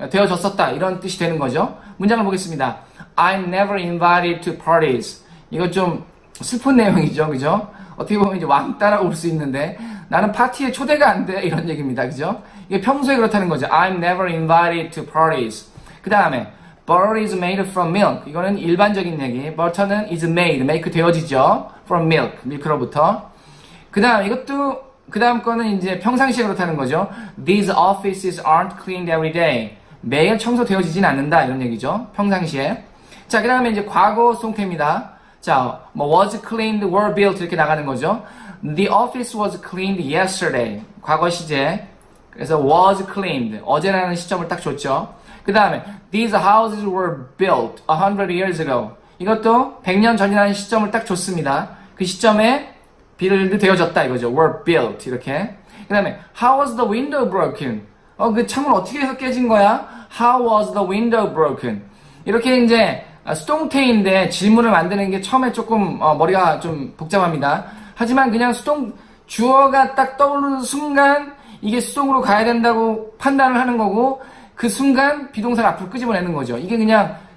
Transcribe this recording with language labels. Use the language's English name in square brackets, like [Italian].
[Korean] 되어졌었다. 이런 뜻이 되는 거죠. 문장을 보겠습니다. [English] I'm never invited to parties. [Korean] 이거 좀 슬픈 내용이죠, 그죠? 어떻게 보면 이제 왕따라고 볼수 있는데, 나는 파티에 초대가 안 돼, 이런 얘기입니다, 그죠? 이게 평소에 그렇다는 거죠. [English] I'm never invited to parties. [Korean] 그 다음에, [English] butter is made from milk. [Korean] 이거는 일반적인 얘기. butter는 is made, make 되어지죠. from milk, 밀크로부터. 그 다음, 이것도, 그 다음 거는 이제 평상시에 그렇다는 거죠. [English] These offices aren't cleaned every day. [Korean] 매일 청소되어지진 않는다, 이런 얘기죠. 평상시에. 자, 그 다음에 이제 과거 수동태입니다. 자, 뭐 was cleaned, were built 이렇게 나가는 거죠. [English] The office was cleaned yesterday. [Korean] 과거 시제. 그래서 was cleaned. 어제라는 시점을 딱 줬죠. 그 다음에 [English] these houses were built 100 years ago. [Korean] 이것도 100년 전이라는 시점을 딱 줬습니다. 그 시점에 빌드 되어졌다 이거죠. [English] were built [Korean] 이렇게. 그 다음에 [English] how was the window broken? [Korean] 그 창문 어떻게 해서 깨진 거야? [English] How was the window broken? [Korean] 이렇게 이제 수동태인데 질문을 만드는 게 처음에 조금 머리가 좀 복잡합니다. 하지만 그냥 주어가 딱 떠오르는 순간 이게 수동으로 가야 된다고 판단을 하는 거고, 그 순간 비동사를 앞으로 끄집어내는 거죠. 이게 그냥